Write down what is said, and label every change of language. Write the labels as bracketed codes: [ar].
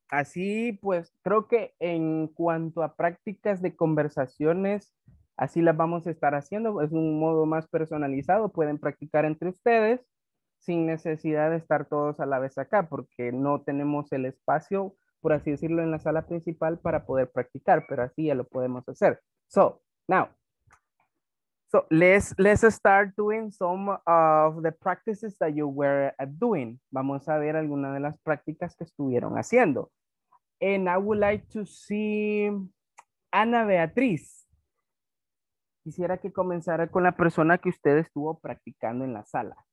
[es] Así pues, creo que en cuanto a prácticas de conversaciones, así las vamos a estar haciendo. Es un modo más personalizado, pueden practicar entre ustedes sin necesidad de estar todos a la vez acá, porque no tenemos el espacio, por así decirlo, en la sala principal para poder practicar, pero así ya lo podemos hacer. [en] So, now. So let's start doing some of the practices that you were doing. [es] Vamos a ver algunas de las prácticas que estuvieron haciendo. [en] And I would like to see Ana Beatriz. [es] Quisiera que comenzara con la persona que usted estuvo practicando en la sala.